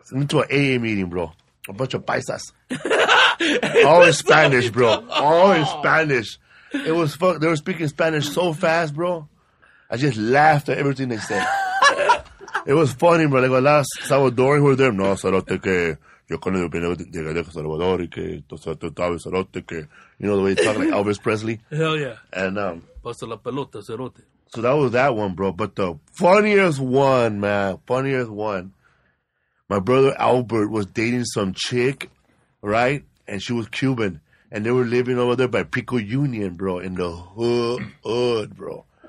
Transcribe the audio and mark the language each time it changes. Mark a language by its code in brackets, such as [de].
[en] Went to an AA meeting, bro. A bunch of paisas. All in Spanish, bro. All in Spanish. It was fuck. They were speaking Spanish so fast, bro. I just laughed at everything they said. It was funny, bro. Like a lot of Salvadorians were there. [es] No, cerote que yo cuando yo llegué de Salvador y que todo estaba cerote, que, [en] you know, the way you talk like Elvis Presley. Hell yeah. And, [es] pasa la pelota, cerote. [en] So that was that one, bro. But the funniest one, man, funniest one. My brother Albert was dating some chick, right? And she was Cuban. And they were living over there by Pico Union, bro, in the hood, bro.